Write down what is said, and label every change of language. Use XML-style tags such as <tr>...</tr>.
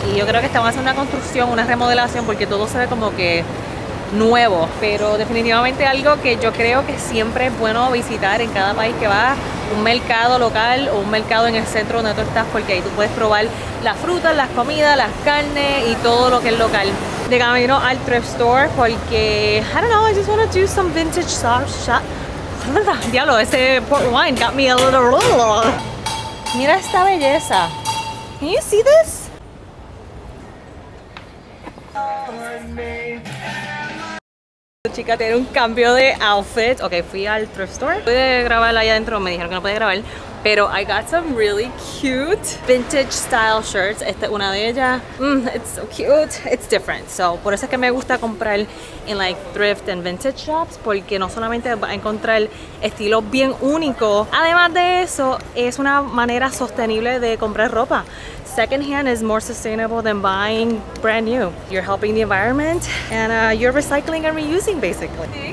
<es>Y yo creo que estaban haciendo una construcción, una remodelación, porque todo se ve como que nuevo. Pero definitivamente algo que yo creo que siempre es bueno visitar en cada país que vas, un mercado local o un mercado en el centro donde tú estás, porque ahí tú puedes probar las frutas, las comidas, las carnes y todo lo que es local. De camino al</es> <en>thrift store</en> <es>porque,</es> <en>I don't know, I just want to do some vintage shop. Diablo, ese port wine got me a little.</en> <es>Mira esta belleza.</es> <en>Can you see this?</en> <es>Chica, tiene un cambio de outfit. Ok, fui al thrift store. Pude grabar allá adentro, me dijeron que no podía grabar.</es> <en>Pero I got some really cute vintage style shirts.</en> <es>Esta es una de ellas.</es> <en>It's so cute. It's different.</en> <es>So, por eso es que me gusta comprar en like thrift and vintage shops. Porque no solamente va a encontrar estilo bien único. Además de eso, es una manera sostenible de comprar ropa.</es> <en>Secondhand is more sustainable than buying brand new. You're helping the environment and you're recycling and reusing basically.</en>